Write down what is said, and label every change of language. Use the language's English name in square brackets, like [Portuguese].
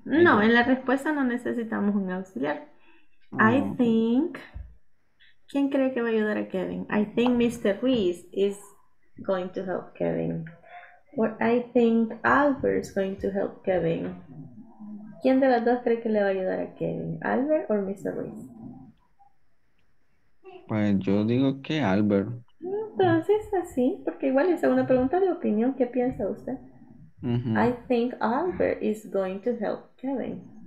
[Spanish] No, en la respuesta no necesitamos un auxiliar. Oh. [English] I think. [Spanish] ¿Quién cree que va a ayudar a Kevin? [English] I think Mr. Reese is going to help Kevin. Or I think Albert is going to help Kevin. [Spanish] ¿Quién de las dos cree que le va a ayudar a Kevin? ¿Albert o Mr. Reese? Pues yo digo que Albert. Entonces así, porque igual es una pregunta de opinión. ¿Qué piensa usted? Uh-huh. [English] I think Albert is going to help Kevin.